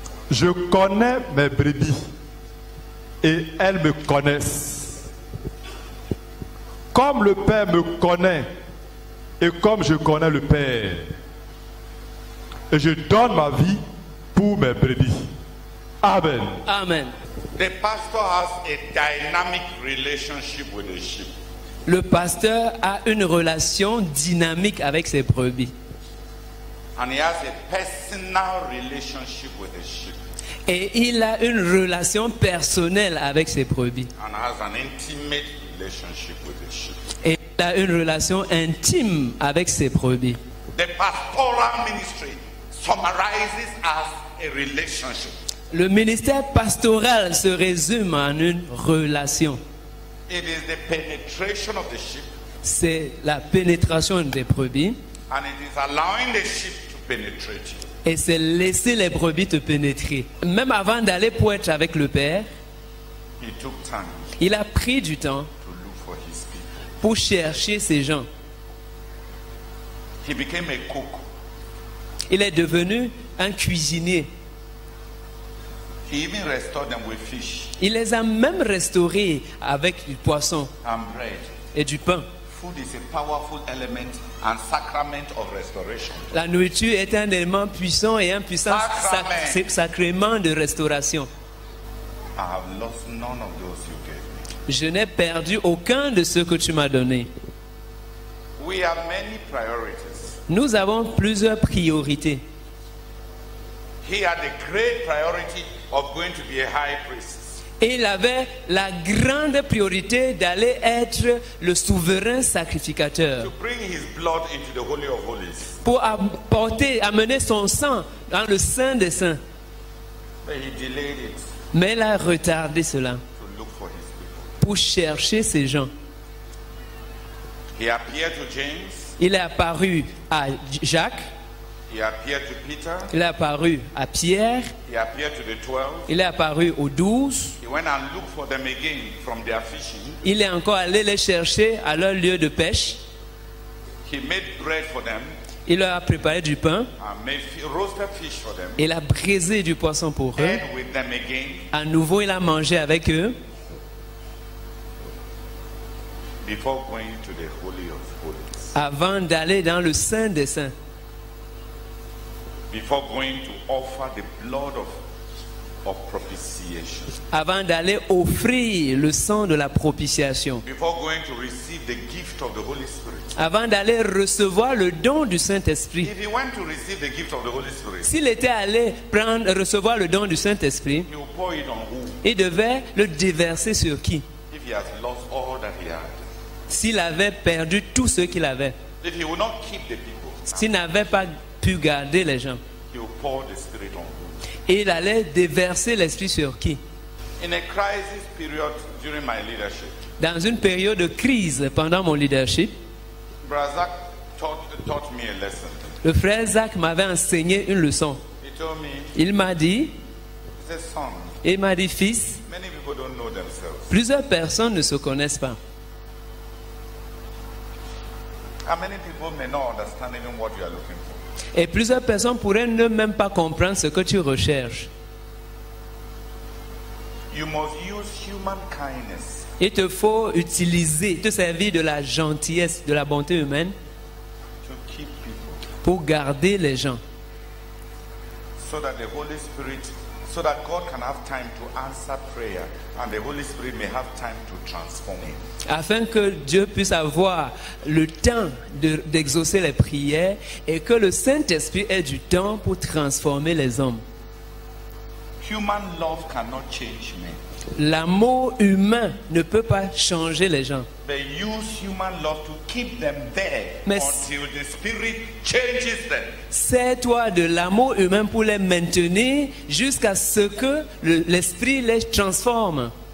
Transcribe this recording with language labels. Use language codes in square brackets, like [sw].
[fr] Je connais mes brebis et elles me connaissent. Comme le Père me connaît et comme je connais le Père, et je donne ma vie pour mes brebis. Amen. Amen. [en] The pastor has a dynamic relationship with the sheep. [fr] Le pasteur a une relation dynamique avec ses brebis. [en] And he has a personal relationship with the sheep. [fr] Et il a une relation personnelle avec ses brebis. [en] And has an intimate relationship with the sheep. [fr] Et il a une relation intime avec ses brebis. [en] The pastoral ministry summarizes as a relationship. [fr] Le ministère pastoral se résume en une relation. [en] It is the penetration of the sheep. [fr] C'est la pénétration des brebis. [en] And it is allowing the sheep to penetrate you. [fr] Et c'est laisser les brebis te pénétrer. Même avant d'aller pour être avec le Père, [en] he took time, [fr] il a pris du temps [en] to look for his people. [fr] Pour chercher ces gens. [en] He became a cook. [fr] Il est devenu un cuisinier. [en] He even restored them with fish. [fr] Il les a même restaurés avec du poisson [en] and bread. [fr] Et du pain. [en] Food is a powerful element and sacrament of restoration. [fr] La nourriture est un élément puissant et un puissant sacrement de restauration. [en] I have lost none of those you gave me. [fr] Je n'ai perdu aucun de ceux que tu m'as donné. [en] We have many priorities. [fr] Nous avons plusieurs priorités. [en] He had the great priority of going to be a high priest. [fr] Il avait la grande priorité d'aller être le souverain sacrificateur. [en] To bring his blood into the Holy of Holies. [fr] Pour apporter, amener son sang dans le Saint des Saints. [en] But he delayed it. [fr] Mais il a retardé cela. [en] To look for his people. [fr] Pour chercher ses gens. [en] He appeared to James. [fr] Il est apparu à Jacques. [en] He appeared to Peter. [fr] Il est apparu à Pierre. [en] He appeared to the 12. [fr] Il est apparu aux 12. [en] He went and looked for them again from their fishing. [fr] Il est encore allé les chercher à leur lieu de pêche. [en] He made bread for them. [fr] Il leur a préparé du pain. [en] And made roasted fish for them. [fr] Il a braisé du poisson pour eux. [en] Ate with them again. [fr] À nouveau, il a mangé avec eux. [en] Before going to the Holy of Holies. [fr] Avant d'aller dans le Saint des Saints. [en] Before going to offer the blood of propitiation. [fr] Avant d'aller offrir le sang de la propitiation. [en] Before going to receive the gift of the Holy Spirit. [fr] Avant d'aller recevoir le don du Saint-Esprit. [en] If he went to receive the gift of the Holy Spirit. [fr] S'il était allé prendre recevoir le don du Saint-Esprit. [en] He would pour it on who? [fr] Il devait le déverser sur qui? [en] If he has lost all that he had. [fr] S'il avait perdu tout ce qu'il avait. [en] If he would not keep the people. [fr] S'il n'avait pas garder les gens. [en] He will pour the Spirit on. [fr] Et il allait déverser l'esprit sur qui? [en] In a crisis period during my leadership. [fr] Dans une période de crise pendant mon leadership. [en] Brazak taught me a lesson. [fr] Le frère Zach m'avait enseigné une leçon. [en] He told me, [fr] il m'a dit. [en] Son, [fr] il m'a dit fils. [en] Many people don't know themselves. [fr] Plusieurs personnes ne se connaissent pas. [en] How many people may not understand even what you are looking for? [fr] Et plusieurs personnes pourraient ne même pas comprendre ce que tu recherches. [en] You must use human kindness. [fr] Il te faut utiliser, te servir de la gentillesse, de la bonté humaine [en] to keep people. [fr] Pour garder les gens. [en] So that the Holy Spirit, so that God can have time to answer prayer and the Holy Spirit may have time to transform him. [fr] Afin que Dieu puisse avoir le temps d'exaucer les prières et que le Saint-Esprit ait du temps pour transformer les hommes. [en] Human love cannot change men. [fr] L'amour humain ne peut pas changer les gens. [en] They use human love to keep them there. [fr] Mais [en] until the Spirit changes them. [fr] Sers-toi de l'amour humain pour les maintenir jusqu'à ce que l'Esprit les transforme.